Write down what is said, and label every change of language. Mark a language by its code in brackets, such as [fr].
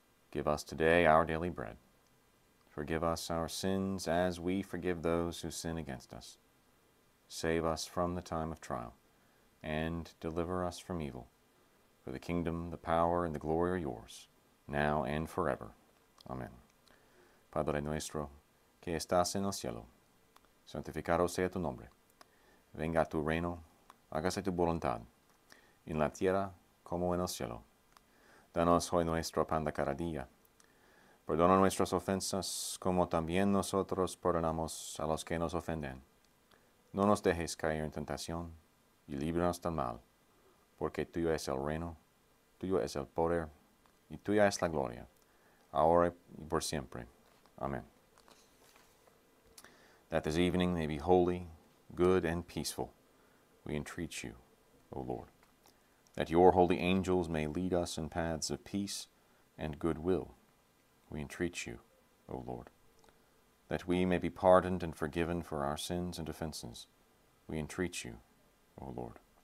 [en] Give us today our daily bread. Forgive us our sins as we forgive those who sin against us. Save us from the time of trial, and deliver us from evil. For the kingdom, the power, and the glory are yours, now and forever. Amen. [es] Padre nuestro, que estás en el cielo, santificado sea tu nombre. Venga tu reino, hágase tu voluntad, en la tierra como en el cielo. Danos hoy nuestro pan de cada día. Perdona nuestras ofensas, como también nosotros perdonamos a los que nos ofenden. No nos dejes caer en tentación, y líbranos del mal, porque tuyo es el reino, tuyo es el poder, y tuya es la gloria, ahora y por siempre. Amen. [en] That this evening may be holy, good, and peaceful, we entreat you, O Lord. That your holy angels may lead us in paths of peace and goodwill, we entreat you, O Lord. That we may be pardoned and forgiven for our sins and offenses, we entreat you, O Lord.